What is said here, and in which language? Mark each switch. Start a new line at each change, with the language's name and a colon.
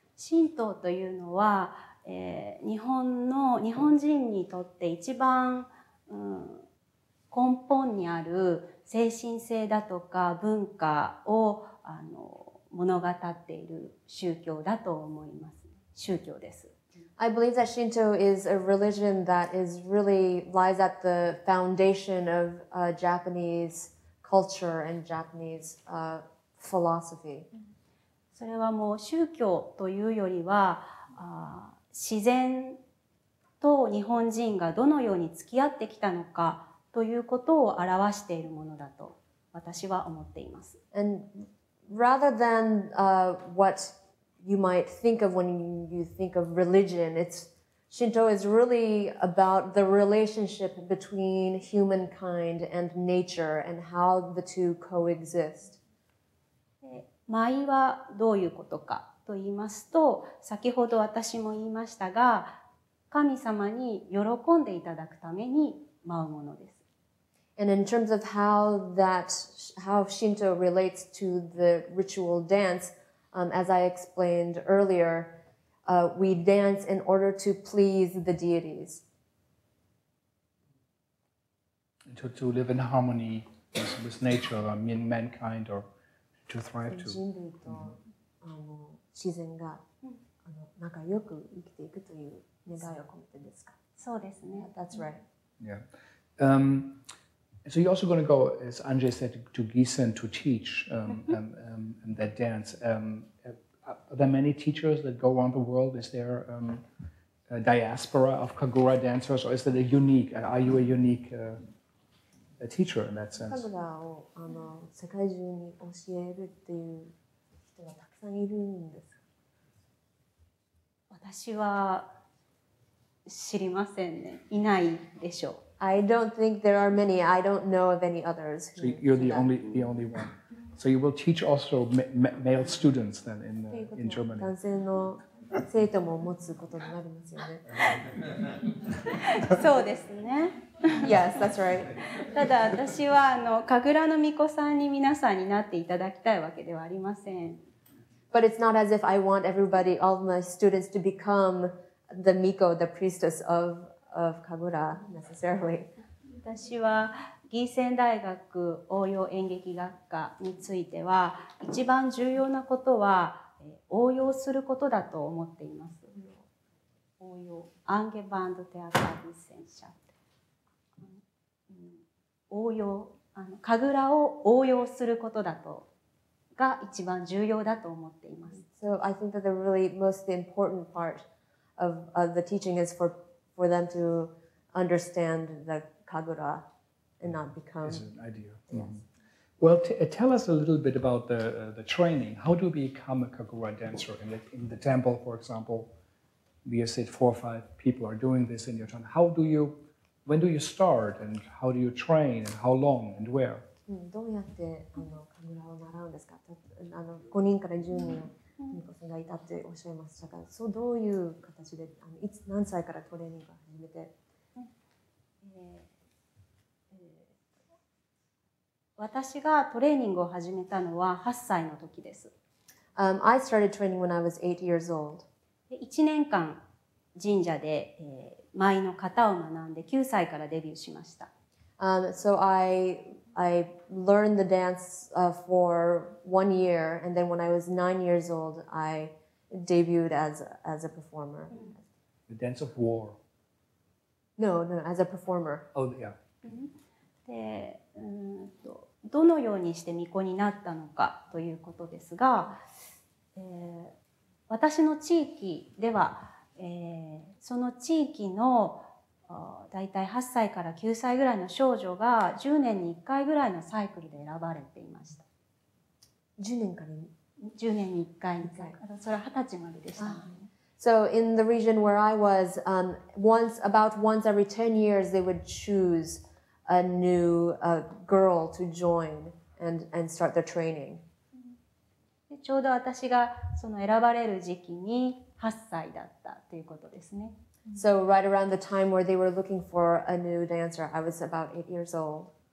Japanese: 神道というのは、日本人にとって一番、根本にある精神性だとか文化をあの物語っている宗教だと思います。宗教です。
English: I believe that Shinto is a religion that is really lies at the foundation of Japanese culture and Japanese philosophy.
Japanese: それはもう宗教というよりは自然と日本人がどのように付き合ってきたのかということを表しているものだと私は思っています。
English: And rather than what you might think of when you think of religion, Shinto is really about the relationship between humankind and nature and how the two coexist.
Japanese: 舞はどういうことかと言いますと、先ほど私も言いましたが、神様に喜んでいただくために舞うものです。
English: And in terms of how Shinto relates to the ritual dance, as I explained earlier, we dance in order to please the deities. To live in harmony this nature of mankind or to thrive to.
Japanese: 人類と、mm-hmm. 自然が仲良く生きていくという願いを込めてですか。そうですね。
English: That's right. Yeah. So you're also going to go, as Andrzej said, to Gießen to teach that dance. Are there many teachers that go around the world? Is there a diaspora of Kagura dancers, or is that a unique? Are you a unique a teacher in that sense?
Japanese: Kagura を世界中に教えるっていう人がたくさんいるんですか。私は知りませんね。いないでしょう。
English: I don't think there are many. I don't know of any others. So you're the only one. So you will teach also male students then in Germany.
Japanese: 男性の生徒も持つことになりますよね。そうですね。
English: Yes, that's right.
Japanese: ただ私は神楽の巫女さんに皆さんになっていただきたいわけではありません。
English: But it's not as if I want everybody, all my students, to become the Miko, the priestess of Kagura, necessarily.
Japanese: 私は義仙大学応用演劇学科については一番重要なことは応用することだと思っています。応用、アンゲバンドテアカー義仙社。応用、カグラを応用することだとが一番重要だと思っています。
English: So I think that the really most important part of the teaching is for them to understand the Kagura and not become. Is an idea. Mm-hmm. Well, tell us a little bit about the training. How do we become a Kagura dancer in the temple, for example? We have said four or five people are doing this in your town. When do you start, and how do you train, and how long, and where?
Japanese: どうやってKagura を習うんですか。5人から10人。ミコさんがいたっておっしゃいましたが、そうどういう形でいつ何歳からトレーニングを始めて、私がトレーニングを始めたのは8歳の時です。
English: I started training when I was 8 years old.
Japanese: 1年間神社で舞の型を学んで9歳からデビューしました。
English: So I learned the dance for 1 year, and then when I was 9 years old, I debuted as a performer. The dance of war. No, as a performer. Oh, yeah.
Japanese: で、どのようにして巫女になったのかということですが、私の地域では、その地域のだいたい8歳から9歳ぐらいの少女が10年に1回ぐらいのサイクルで選ばれていました。 10年から 10年に1回。それは20歳まででした、ね。
English: So in the region where I was, once every 10 years they would choose a new girl to join and start their training.
Japanese: でちょうど私がその選ばれる時期に8歳だったということですね。
English: So right around the time where they were looking for a new dancer, I was about 8 years old.